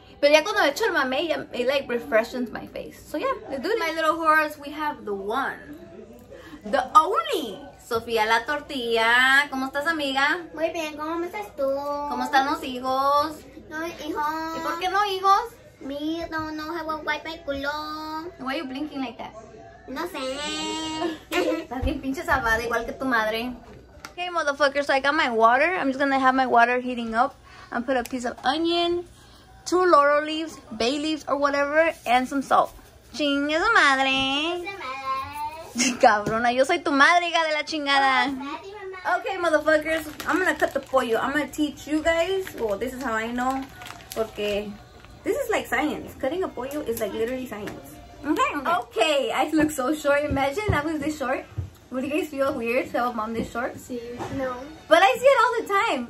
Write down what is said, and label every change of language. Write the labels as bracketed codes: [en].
[es] Pero ya cuando me echo el mamey, [en] it, like, refreshes my face. So, yeah, let's do this. My little horse, we have the one, The only. [es] Sofía la tortilla. ¿Cómo estás, amiga? Muy bien. ¿Cómo estás tú? ¿Cómo están los hijos? No, hijo. ¿Y por qué no hijos? [en] Me don't know how to wipe my culo. Why are you blinking like that? [es] No sé. Estás bien pinche salvada, igual que tu madre. [en] Okay, motherfuckers, so I got my water. I'm just gonna have my water heating up and put a piece of onion, two laurel leaves, bay leaves or whatever, and some salt. [es] Chingue su madre. Cabrona, yo soy tu madre, hija de la chingada. [en] Okay, motherfuckers, I'm gonna cut the pollo. I'm gonna teach you guys. Well, this is how I know, porque this is like science. Cutting a pollo is like literally science. Okay. Okay, I look so short. Imagine I was this short. Would you guys feel weird to have a mom this short? See, no. But I see it all the time.